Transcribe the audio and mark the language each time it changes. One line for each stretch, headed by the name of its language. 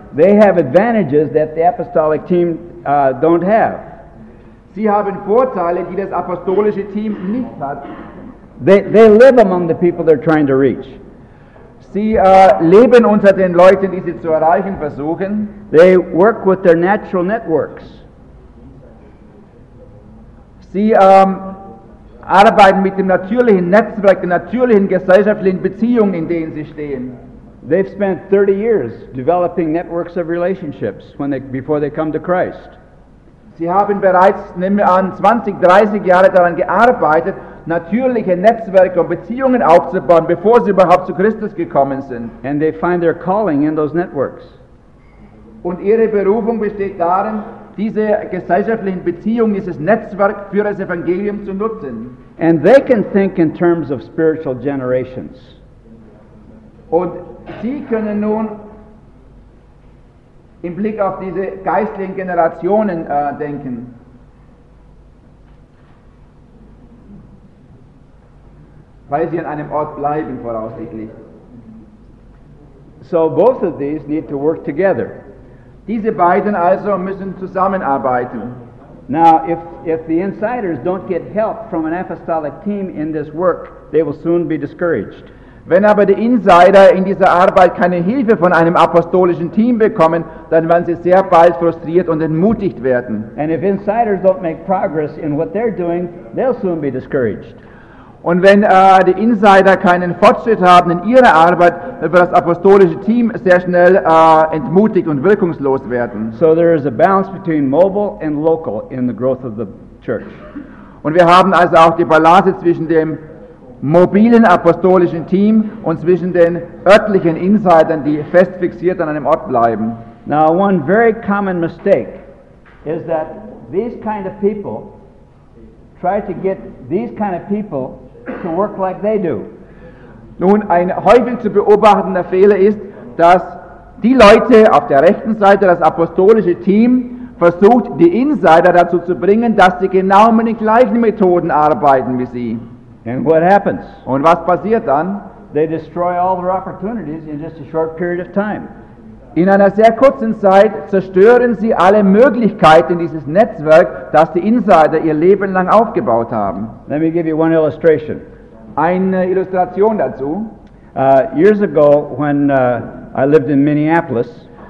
English: They have advantages that the apostolic team don't have.
German: Sie haben Vorteile, die das apostolische Team nicht hat.
English: They live among the people they're trying to reach.
German: Sie leben unter den Leuten, die sie zu erreichen versuchen.
English: They work with their natural networks.
German: Sie arbeiten mit dem natürlichen Netzwerk, den natürlichen gesellschaftlichen Beziehungen, in denen sie stehen.
English: They've spent 30 years developing networks of relationships before they come to Christ.
German: Sie haben bereits, nehmen wir an, 20, 30 Jahre daran gearbeitet, natürliche Netzwerke und Beziehungen aufzubauen, bevor sie überhaupt zu Christus gekommen sind.
English: And they find their calling in those networks.
German: Und ihre Berufung besteht darin, diese gesellschaftlichen Beziehungen, dieses Netzwerk für das Evangelium zu nutzen.
English: And they can think in terms of spiritual generations.
German: Und sie können nun im Blick auf diese geistlichen Generationen denken. Weil sie an einem Ort bleiben, voraussichtlich.
English: So both of these need to work together.
German: Diese beiden also müssen zusammenarbeiten.
English: Now, if the insiders don't get help from an apostolic team in this work, they will soon be discouraged.
German: Wenn aber die Insider in dieser Arbeit keine Hilfe von einem apostolischen Team bekommen, dann werden sie sehr bald frustriert und entmutigt werden.
English: And if insiders don't make progress in what they're doing, they'll soon be discouraged.
German: Und wenn die Insider keinen Fortschritt haben in ihrer Arbeit, dann wird das apostolische Team sehr schnell entmutigt und wirkungslos werden.
English: So there is a balance between mobile and local in the growth of the church.
German: Und wir haben also auch die Balance zwischen dem mobilen apostolischen Team und zwischen den örtlichen Insidern, die fest fixiert an einem Ort bleiben.
English: Now, one very common mistake is that these kind of people try to get these kind of people to work like they do.
German: Nun, ein häufig zu beobachtender Fehler ist, dass die Leute auf der rechten Seite, das apostolische Team, versucht, die Insider dazu zu bringen, dass sie genau mit den gleichen Methoden arbeiten wie sie.
English: And what happens?
German: Und was passiert dann?
English: They destroy all their opportunities in just a short period of time.
German: In einer sehr kurzen Zeit zerstören sie alle Möglichkeiten dieses Netzwerk, das die Insider ihr Leben lang aufgebaut haben.
English: Let me give you one illustration.
German: Eine Illustration dazu.
English: Years ago, when I lived in Minneapolis,